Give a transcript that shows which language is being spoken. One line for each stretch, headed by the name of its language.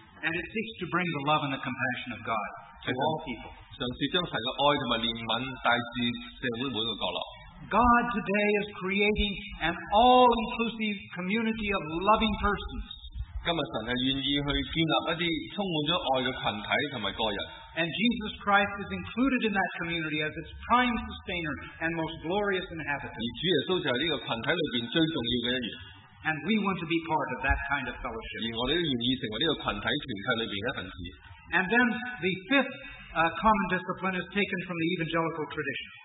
English: And it seeks to bring the love and the compassion of God to all people.
Chinese: 尝试将神的爱和怜悯带至社会每个角落。
English: God today is creating an all-inclusive community of loving persons.
Chinese: 今日神是愿意去建立一些充满了爱的群体和个人。
English: And Jesus Christ is included in that community as its prime sustainer and most glorious inhabitant. And we want to be part of that kind of fellowship. And then the fifth common discipline is taken from the evangelical tradition.